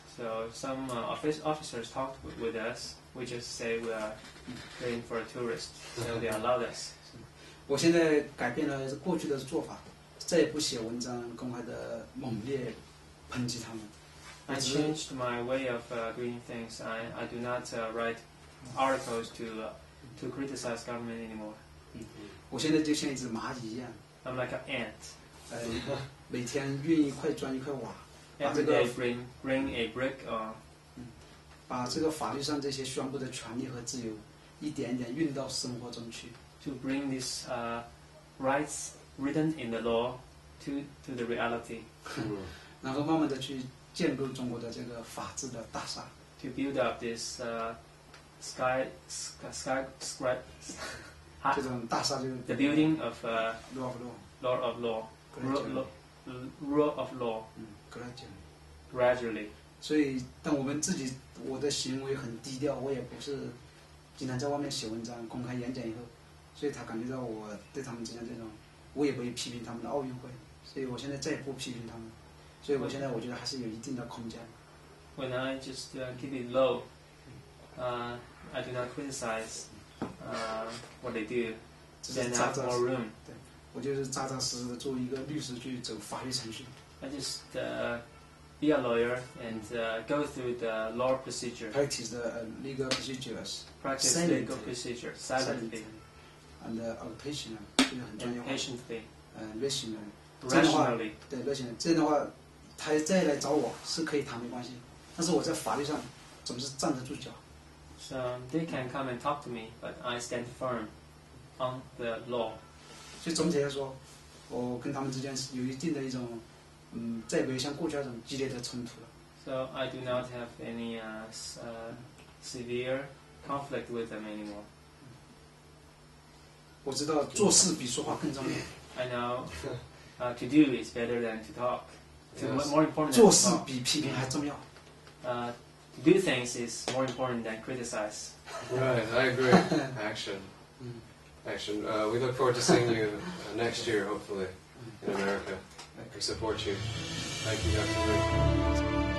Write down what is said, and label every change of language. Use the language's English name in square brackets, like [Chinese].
[English] So some officers talked with us. We just say we are paying for a tourist. So they allowed us. [Chinese] 我现在改变了过去的做法，再也不写文章公开的猛烈抨击他们。 [English] I changed my way of doing things. I do not write articles to criticize government anymore. [Chinese] 我现在就像一只蚂蚁一样。 [English] I'm like an ant. [Chinese] 每天运一块砖一块瓦。 [English] Every day bring a brick on. [Chinese] 把这个法律上这些宣布的权利和自由，一点点运到生活中去。 [English] To bring these rights written in the law to the reality. [Chinese] 然后慢慢的去建构中国的这个法治的大厦。 [English] To build up this the building of law of law gradually. [Chinese] 所以但我们自己我的行为很低调，我也不是经常在外面写文章公开演讲以后，所以他感觉到我对他们之间这种，我也不会批评他们的奥运会，所以我现在再也不批评他们，所以我现在我觉得还是有一定的空间。 [English] When I just keep it low, I do not criticize what they do, then I have more room. [Chinese] 我就是扎扎实实做一个律师去走法律程序。 [English] I just be a lawyer and go through the law procedure. Practice the legal procedures. Practice legal procedures silently. And patiently, [Chinese] 这个很重要。 [English] Patiently. Rationally. 对 ，rationally. [Chinese] 这样的话，他再来找我是可以谈没关系，但是我在法律上总是站得住脚。 [English] So they can come and talk to me, but I stand firm on the law. [Chinese] 所以总体来说，我跟他们之间有一定的一种在围墙过去那种激烈的冲突。 [English] So I do not have any severe conflict with them anymore. [Chinese] 我知道做事比说话更重要。 [English] I know, to do is better than to talk. Yes. More important. [Chinese] 做事比批评还重要。 [English] To do things is more important than criticize. Right, I agree. Action. Action. We look forward to seeing you next year, hopefully, in America. We support you. Thank you, Dr. Luke.